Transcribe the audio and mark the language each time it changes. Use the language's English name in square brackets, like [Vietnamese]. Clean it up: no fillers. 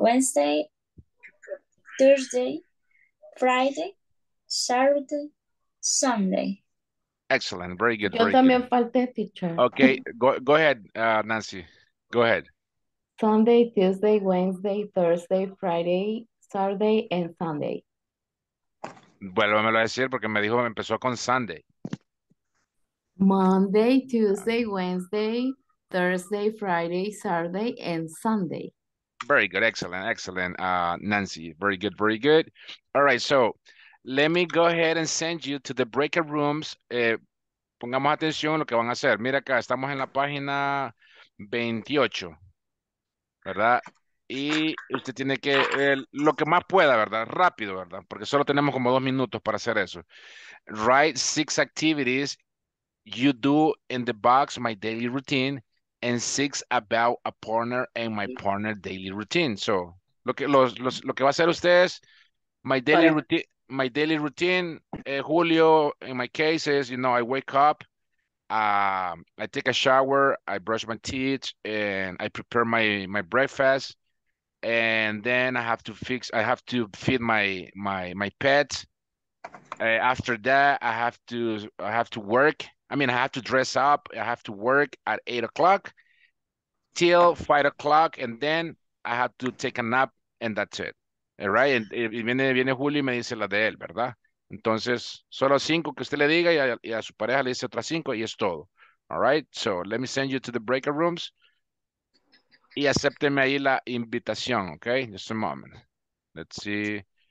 [English] Wednesday, Thursday, Friday, Saturday, Sunday. Excellent. Very good. [Spanish] Yo también falté, teacher. [English] Okay. Go ahead, Nancy. Go ahead. Sunday, Tuesday, Wednesday, Thursday, Friday, Saturday, and Sunday. [Spanish] Vuélvamelo a decir porque me dijo que empezó con Sunday. [English] Monday, Tuesday, Wednesday, Thursday, Friday, Saturday, and Sunday. Very good. Excellent. Nancy, very good. All right. So let me go ahead and send you to the breakout rooms. [Spanish] Pongamos atención a lo que van a hacer. Mira acá, estamos en la página 28, ¿verdad? Y usted tiene que, lo que más pueda, ¿verdad? Rápido, ¿verdad? Porque solo tenemos como 2 minutos para hacer eso. [English] Write 6 activities you do in the box, my daily routine, and 6 about a partner and my partner daily routine. So, [Spanish] lo que va a hacer usted es, [English] my daily routine, Julio, in my case is, you know, I wake up, I take a shower, I brush my teeth, and I prepare my breakfast, and then I have to feed my pets. After that, I have to work. I mean, I have to dress up. I have to work at 8 o'clock till 5 o'clock, and then I have to take a nap, and that's it. All right? [Spanish] Y viene Julio y me dice la de él, ¿verdad? Entonces, solo 5 que usted le diga y a su pareja le dice otras 5 y es todo. [English] All right? So, let me send you to the breakout rooms [Spanish] y acépteme ahí la invitación, [English] okay? Just a moment. Let's see.